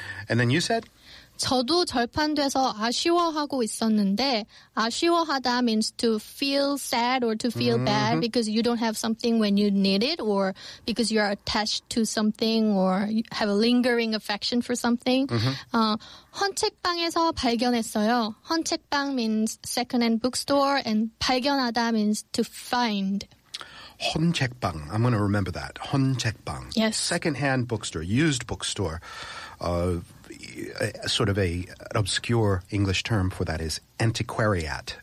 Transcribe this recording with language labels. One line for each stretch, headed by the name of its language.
English: And then you said,
Korean: 저도 절판돼서 아쉬워하고 있었는데
English: 아쉬워하다 means to feel sad or to feel mm-hmm. bad because you don't have something when you need it or because you're attached to something or you have a lingering affection for something. Mm-hmm.
Korean: 헌책방에서 발견했어요.
English: 헌책방 means secondhand bookstore and 발견하다 means to find. 헌책방. I'm going to remember that. 헌책방. Yes. Secondhand bookstore, used bookstore. Sort of an obscure English term for that is antiquariat.